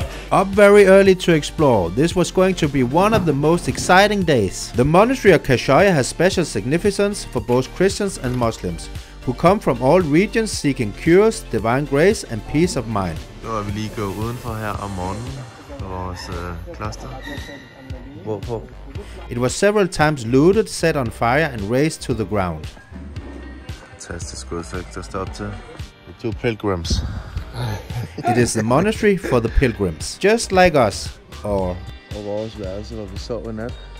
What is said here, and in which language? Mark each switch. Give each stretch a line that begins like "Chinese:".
English: Up very early to explore. This was going to be one of the most exciting days. The Monastery of Kashaya has special significance for both Christians and Muslims, who come from all regions seeking cures, divine grace and peace of mind.
Danish: Så er vi lige gået udenfor her om morgenen på vores kloster. Hvorfor?
English: It was several times looted, set on fire and razed to the ground.
Danish: Fantastisk udsigt at stå op til.
English: The two pilgrims. It is the monastery for the pilgrims, just like us. Or
Danish: og vores værelse, hvor vi sov i nat.